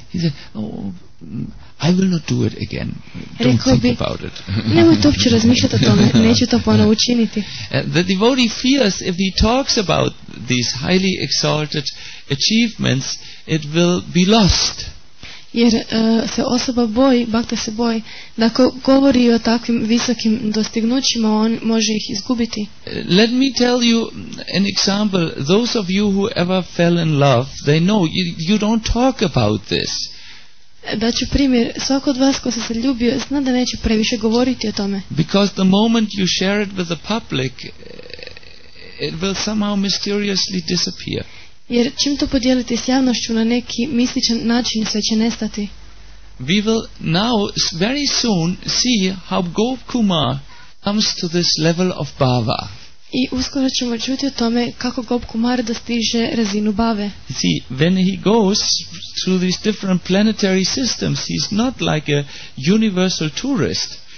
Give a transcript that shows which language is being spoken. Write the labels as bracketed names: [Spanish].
[English] He said, "Oh, I will not do it again. Don't think about it. [Croatian] Nemoj to uopće razmišljati o tome, neću to ponovo učiniti. [English] The devotee fears if he talks about these highly exalted achievements, it will be lost. [Croatian] Jer se osoba boji, bhakta se boji, da ako govori o takvim visokim dostignućima, on može ih izgubiti. [English] Let me tell you an example. Those of you who ever fell in love, they know you don't talk about this. [Croatian] Da ću primjer, svako od vas ko se zaljubio, zna da neće previše govoriti o tome. [English] Because the moment you share it with the public, it will somehow mysteriously disappear. [Croatian] Jer čim to podijelite s javnošću na neki mističan način sve će nestati. [English] We will now very soon see how Gop Kumar comes to this level of Bhava. [Croatian] I uskoro ćemo čuti o tome kako Gop Kumar dostiže razinu Bhave. [English] See, when he goes through these different planetary systems, he's not like a universal tourist.